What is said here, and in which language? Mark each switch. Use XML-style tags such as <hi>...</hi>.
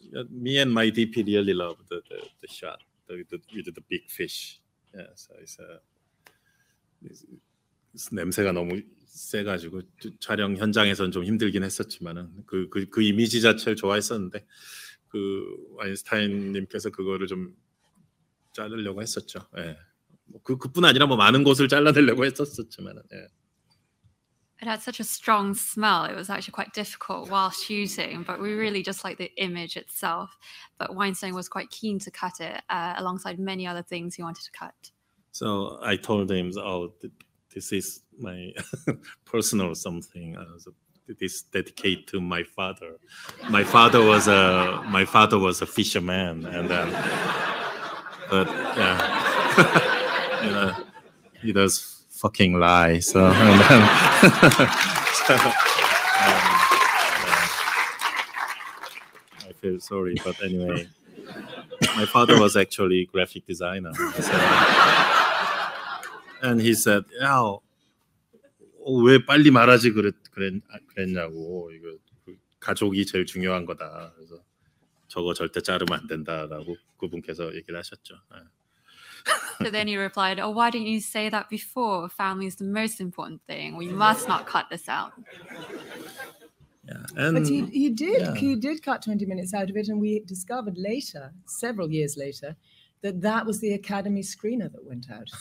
<en>Me and my DP really love the shot with the big fish. Yeah, so it's</en> <ko>냄새가 너무 세가지고 촬영 현장에서는 좀 힘들긴 했었지만은 그 이미지 자체를 좋아했었는데 그 아인슈타인님께서 그거를 좀 자르려고 했었죠. 예, 뭐 그뿐 아니라 뭐 많은 곳을 잘라내려고 했었었지만은. 예.</ko> <en>It had such a strong smell. It was actually quite difficult while shooting, but we really just liked the image itself. But Weinstein was quite keen to cut it alongside many other things he wanted to cut. So I told him, oh, this is my personal something. This dedicated to my father. My father was a fisherman. But yeah, you know, he does fucking lie. So, I feel sorry, but anyway, my father was actually a graphic designer. So, and he said, "Yeah,</en> <ko>왜 빨리 말하지 그랬냐고 이거 가족이 제일 중요한 거다. 그래서 저거 절대 자르면 안 된다라고 그분께서 얘기를 하셨죠."</ko> <en>So then he replied, oh, why didn't you say that before? Family is the most important thing. We must not cut this out. Yeah, and but he did cut 20 minutes out of it, and we discovered later, several years later, that that was the Academy screener that went out.</en>